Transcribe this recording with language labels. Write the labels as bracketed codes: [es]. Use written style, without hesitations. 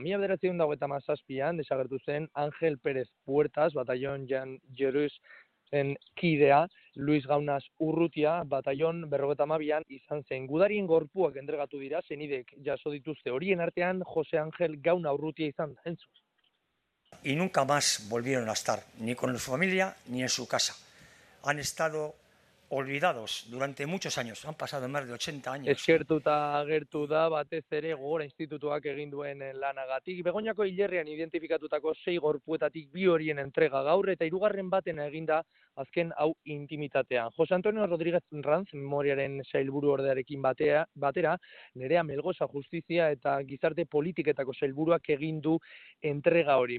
[eu] 1937an desagertu zen Angel Pérez Puertas, batallon Jean Jerus zen kidea, Luis Gaunaz Urrutia, batallon 52an izan zen. Gudarien gorpuak entregatu dira, senidek jaso dituzte horien artean, Jose Angel Gauna Urrutia izan da, entzuz. [es] Y nunca más volvieron a estar, ni con su familia, ni en su casa. Han estado olvidados durante muchos años, han pasado más de 80 años. [eu] Eskertu eta agertu da, batez ere gogora institutuak egin duen lanagatik. Begoñako hilerrian identifikatutako 6 gorpuetatik bi horien entrega gaur, eta hirugarren baten eginda azken hau intimitatean. Jose Antonio Rodríguez Ranz, memoriaren sailburu ordearekin batera, Nerea Melgoza Justizia eta Gizarte Politiketako sailburuak egin du entrega hori.